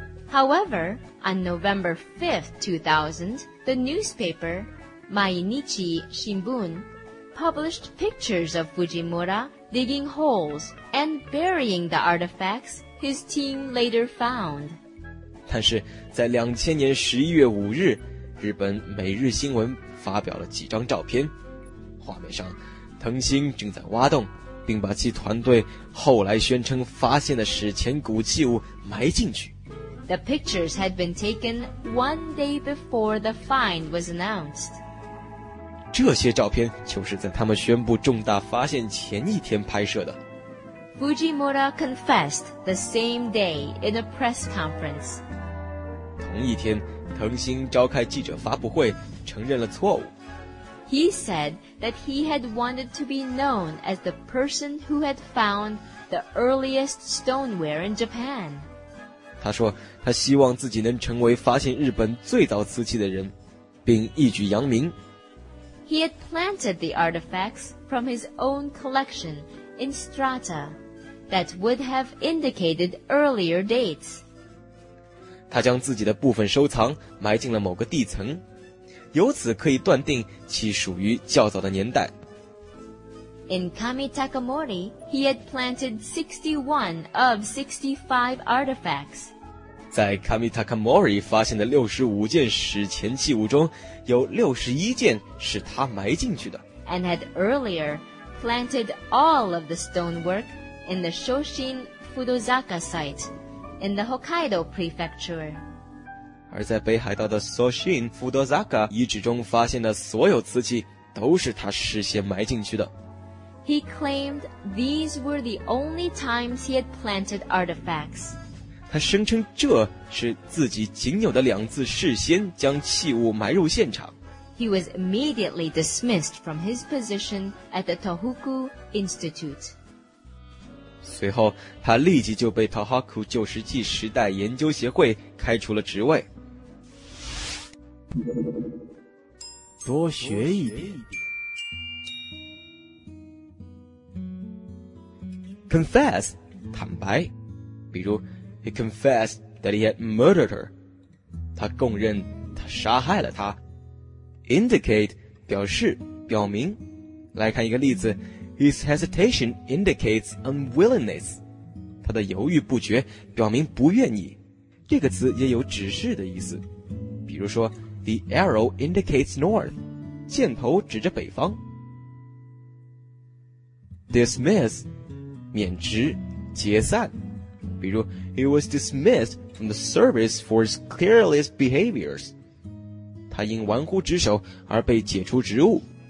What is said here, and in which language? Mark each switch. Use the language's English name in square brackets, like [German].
[English] However, on November 5th, 2000, the newspaper Mainichi Shimbun published pictures of Fujimura digging holes and burying the artifacts his team later found. [Chinese] 但是在2000年11月5日，日本每日新闻发表了几张照片。画面上，藤星正在挖洞，并把其团队后来宣称发现的史前古器物埋进去。 [English] The pictures had been taken one day before the find was announced. [Chinese] 这些照片就是在他们宣布重大发现前一天拍摄的。 [English] Fujimura confessed the same day in a press conference. [Chinese] 同一天，藤星召开记者发布会，承认了错误。 [English] He said that he had wanted to be known as the person who had found the earliest stoneware in Japan. [Chinese] 他说他希望自己能成为发现日本最早瓷器的人，并一举扬名。 [English] He had planted the artifacts from his own collection in strata that would have indicated earlier dates. [Chinese] 他将自己的部分收藏埋进了某个地层，由此可以断定其属于较早的年代。 [English] In Kami Takamori, he had planted 61 of 65 artifacts. [Chinese] 在 Kami Takamori 发现的65件史前器物中，有61件是他埋进去的。 [English] And had earlier planted all of the stonework in the Shoshin Fudozaka site in the Hokkaido Prefecture. [Chinese] 而在北海道的索逊福德扎卡遗址中发现的所有瓷器都是他事先埋进去的。 [English] He claimed these were the only times he had planted artifacts. [Chinese] 他声称这是自己仅有的两次事先将器物埋入现场。 [English] He was immediately dismissed from his position at the Tohoku Institute. [Chinese] 随后他立即就被 Tohoku 旧石器时代研究协会开除了职位。多学一点。 Confess, 坦白，比如 [English] he confessed that he had murdered her, [Chinese] 他供认他杀害了她。 Indicate, 表示表明，来看一个例子 , [English] his hesitation indicates unwillingness, [Chinese] 他的犹豫不决表明不愿意，这个词也有指示的意思，比如说 [English] the arrow indicates north, [Chinese] 箭头指着北方。 [English] Dismiss, [Chinese] 免职解散，比如 [English] He was dismissed from the service for his careless behaviors. [Chinese] 他因玩忽职守而被解除职务。